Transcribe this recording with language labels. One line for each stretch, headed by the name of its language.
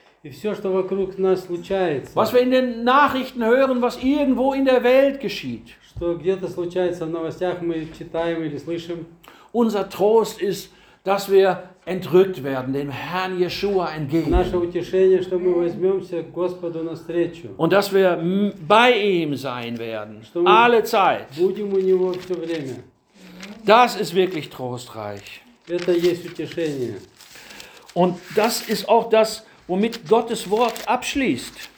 Russian: И все, что вокруг нас случается.
German: Was wir in den Nachrichten hören, was irgendwo in der Welt geschieht.
Russian: Что где-то случается в новостях, мы читаем или слышим.
German: Unser Trost ist, dass wir entrückt werden, dem Herrn Yeshua entgegen.
Russian: Наше утешение, что мы возьмемся к Господу навстречу.
German: Und dass wir bei ihm sein werden, что alle Zeit.
Russian: Будем у него все время.
German: Das ist wirklich trostreich.
Russian: Это есть утешение.
German: Und das ist auch das, womit Gottes Wort abschließt.